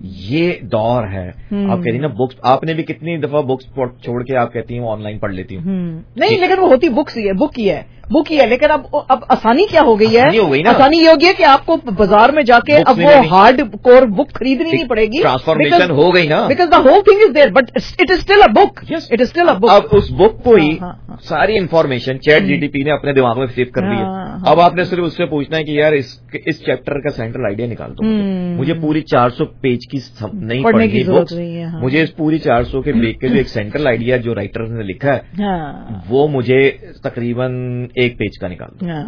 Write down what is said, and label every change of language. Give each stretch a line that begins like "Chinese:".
Urdu: یہ دور ہے, آپ کہہ رہی نا بکس, آپ نے بھی کتنی دفعہ بکس چھوڑ کے آپ کہتی ہیں آن لائن پڑھ لیتی ہوں, نہیں لیکن وہ ہوتی بکس ہی ہے, بک ہی ہے, بک ہی ہے. لیکن اب آسانی کیا ہو گئی ہے, آسانی یہ ہوگی کہ آپ کو بازار میں جا کے اب وہ ہارڈ کور بک خریدنی نہیں پڑے گی, ٹرانسفارمیشن ہو گئی نا,
English: Because the whole thing is there, but it is still a book, it is still a book.
Urdu: اب اس بک کو ہی ساری information chat جی T P نے اپنے دماغ میں سیو کر لی ہے, اب آپ نے صرف اس سے پوچھنا ہے کہ یار اس چیپٹر کا سینٹرل آئیڈیا نکال دو, مجھے پوری 400 پیج کی نہیں پڑھنے کی ضرورت نہیں ہے, مجھے اس پوری 400 کے بیک کے جو ایک سینٹرل آئیڈیا جو رائٹر نے لکھا ہے وہ مجھے تقریباً ایک پیج کا نکال دو.